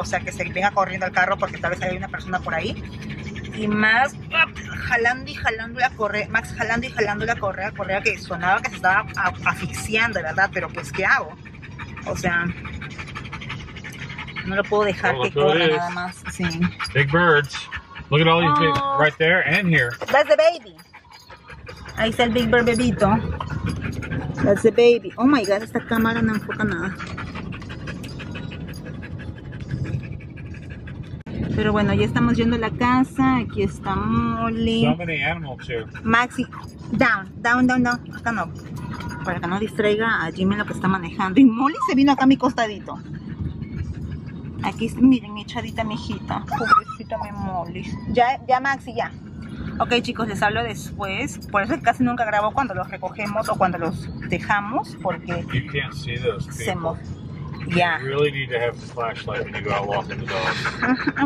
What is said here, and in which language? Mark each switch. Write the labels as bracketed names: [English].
[Spanish] O sea, que se venga corriendo al carro porque tal vez haya una persona por ahí. Y Max jalando y jalando la correa. Max jalando y jalando la correa. Correa que sonaba que se estaba asfixiando, ¿verdad? Pero pues, ¿qué hago? O sea... No lo puedo dejar que corra nada más. Sí. [English] Big birds. Look at all these big right there and here. That's the baby. [Spanish] Ahí está el Big Bird bebito. [English] That's the baby. Oh my God, [Spanish] esta cámara no enfoca nada. Pero bueno, ya estamos yendo a la casa. Aquí está Molly. [English] So many animals here. [Spanish] Maxi, [English] down, down, down, down. [Spanish] Acá no. Para que no distraiga a Jimmy lo que está manejando. Y Molly se vino acá a mi costadito. Aquí está mi echadita, mi hijita. Pobrecita mi Molly. Ya, Maxi, ya. Ok, chicos, les hablo después. Por eso casi nunca grabo cuando los recogemos o cuando los dejamos, porque [English] you can't see those people. Yeah. You really need to have the flashlight when you go out walking the dog.